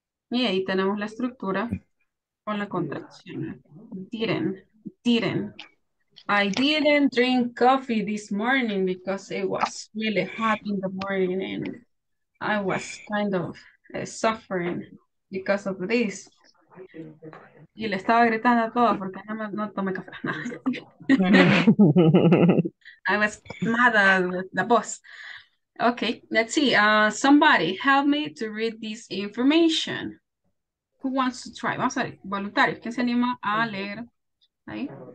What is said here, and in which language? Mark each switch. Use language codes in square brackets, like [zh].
[es] Y ahí tenemos la estructura con la contracción. [en] Didn't. I didn't drink coffee this morning because it was really hot in the morning and I was kind of suffering because of this. [es] Y le estaba gritando a todos porque no tomé café. [en] I was mad at the boss. Okay, let's see. Somebody help me to read this information. Who wants to try? [es] Vamos a ver, voluntarios. ¿Quién se anima a leer? Ahí.